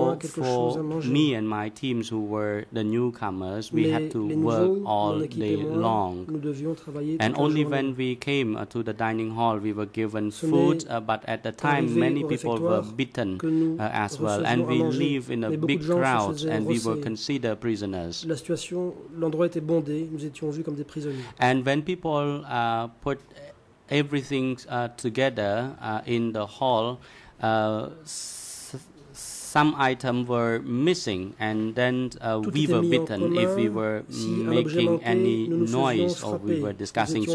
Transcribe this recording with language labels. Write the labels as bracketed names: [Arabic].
[English] For me and my teams who were the newcomers, [French] mais [English] we had to work all day long. And only when we came to the dining hall, we were given food, but at the time, many people were beaten as well. And we live in a big crowd, and we were considered prisoners. [French] La situation, l'endroit était bondé, nous étions vus comme des prisonniers. [English] And when people put everything together in the hall, some items were missing, and then we were beaten if we were making any noise or we were discussing.